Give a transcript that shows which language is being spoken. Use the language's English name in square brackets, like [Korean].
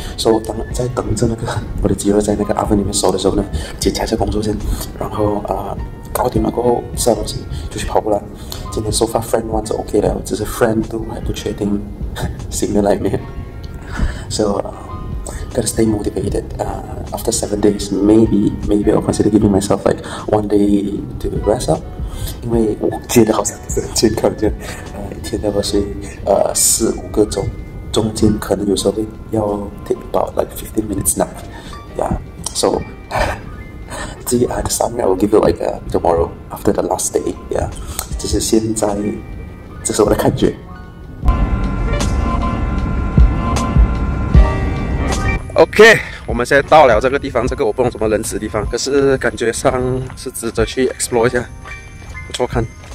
[Chinese] So， 当在等着那个我的肌肉在那个 oven 里面熟的时候呢，检查一下工作先，然后搞定了过后吃了东西就去跑步了。今天 [English] so far [Chinese] friend one 是 OK 了，只是 friend two 还不确定行得来没。 [English] So，gotta stay motivated. After 7 days, maybe I'll consider giving myself like one day to rest up. [Chinese] 因为我觉得好像不是很健康，就一天大概是四五个钟，中间可能有时候要 [English] take about like 15 minutes nap. Yeah. So, the summary I will give you like tomorrow after the last day. Yeah. [Chinese] 只是现在，这是我的感觉。 OK， 我们现在到了这个地方，这个我不懂什么人死的地方，可是感觉上是值得去 explore 一下，不错看。